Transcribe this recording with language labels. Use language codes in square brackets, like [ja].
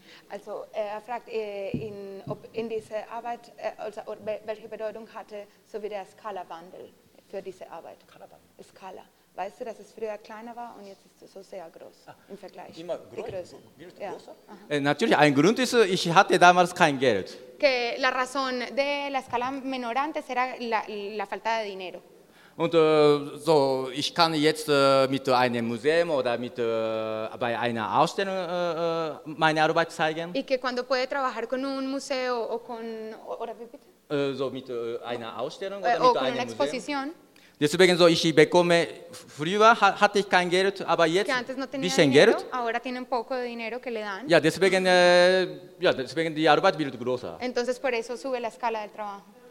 [de] Also, er fragt ihn, ob in dieser Arbeit, also, welche Bedeutung hatte so wie der Skala-Wandel für diese Arbeit? Skala. Weißt du, dass es früher kleiner war und jetzt ist es so sehr groß im Vergleich? Immer größer. Ja. Natürlich, ein Grund ist, ich hatte damals kein Geld. [es] Que la razón de la escala menor antes era la falta de dinero. [de] Und so, ich kann jetzt mit einem Museum oder mit bei einer Ausstellung meine Arbeit zeigen. [es] Y que cuando puede trabajar con un museo o con [de] oder wie bitte? So mit einer Ausstellung oder mit einem Exposition. Museum. Deswegen so, ich bekomme früher hatte ich kein Geld, aber jetzt [es] que antes no tenía [de] bisschen [es] dinero, [de] Geld. [es] Ahora tiene un poco de dinero que le dan. [de] Ja, deswegen deswegen die Arbeit wird größer. [es] Entonces por eso sube la escala del trabajo.